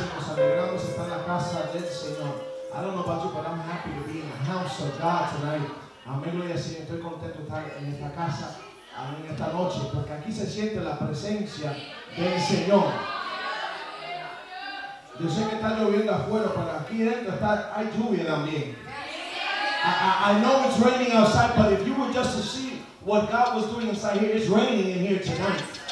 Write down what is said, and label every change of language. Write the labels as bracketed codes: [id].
[es] Nos alegramos estar en la casa del Señor. [en] I don't know about you, but I'm happy to be in the house of God tonight. [es] Amén. Estoy contento de estar en esta casa. Amén. Esta noche, porque aquí se siente la presencia del Señor. Yo sé que está lloviendo afuera, pero aquí dentro está, hay lluvia también. [en] I know it's raining outside, but if you were just to see what God was doing inside here, it's raining in here tonight.